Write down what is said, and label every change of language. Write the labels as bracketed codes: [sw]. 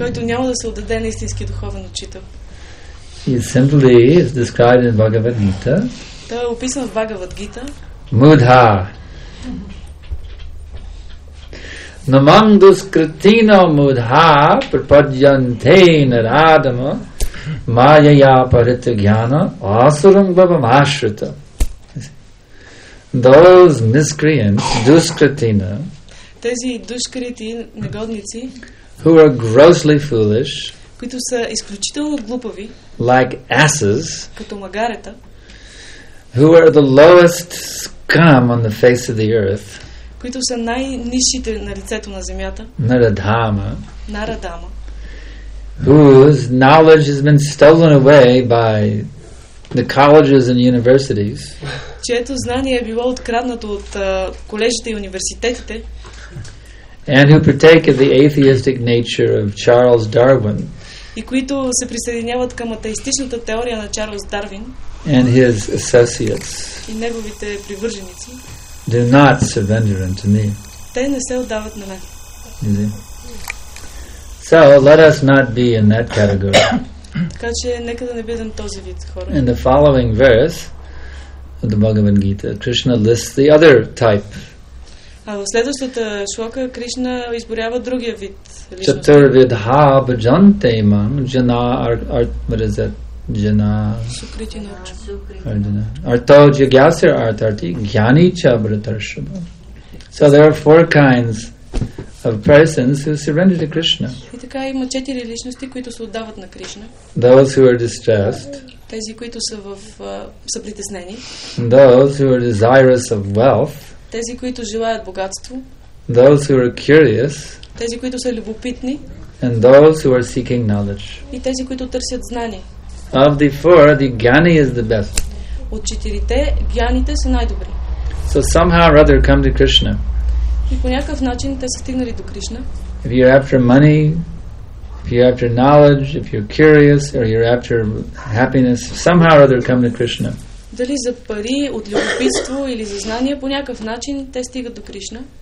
[bg] Който няма да се отдаде на истински духовен учител. [en] He simply is described in Bhagavad Gita. [bg] Той е описан в Бхагавад Гита. [sa] Mudha. Namam duskritino mudha prapadyante naradama mayaya parita jnana asuram bhavam ashrita. [en] Those miscreants, duskritina, [bg] тези душкрити негодници, [en] who are grossly foolish, [bg] които са изключително глупави, [en] like asses, [bg] като магарета, [en] who are the lowest scum on the face of the earth, [bg] които са най-нищите на лицето на земята, [sa] Нарадама, Нарадама, [en] whose knowledge has been stolen away by the colleges and universities, [bg] чието знание е било откраднато от колежите и университетите, [en] and who partake of the atheistic nature of Charles Darwin, [bg] и които се присъединяват към атеистичната теория на Чарлз Дарвин, [en] and his associates, [bg] и неговите привърженици, [en] do not surrender unto me, [bg] те не се отдават на мен. [en] So let us not be in that category. [bg] Така че нека да не бъдем този вид хора. [en] In the following verse of the Bhagavad Gita, Krishna lists the other type. [bg] А в следващата шлока Кришна изборява другия вид личности. [sa] Чатурвидха бджанте имам джана артмаризет джана сукритина арто джагасир артарти гьяни чабратаршама. [en] So there are four kinds of persons who surrender to Krishna. [bg] И така има четири личности, които се отдават на Кришна. [en] Those who are distressed. [bg] Тези, които са в са притеснени. [en] Those who are desirous of wealth. [bg] Тези, които желаят богатство. [en] Those who are curious. [bg] Тези, които са любопитни. [en] And those who are seeking knowledge. [bg] И тези, които търсят знание. [en] Of the four, the gyani is the best. [bg] От четирите, гьяните са най-добри. [en] So somehow or other come to Krishna. [bg] И по някакъв начин те са стигнали до Кришна. [en] If you're after money, if you're after knowledge, if you're curious, or you're after happiness, somehow or other come to Krishna. [bg] Дали за пари, от любопитство или за знания, по някакъв начин те стигат до Кришна.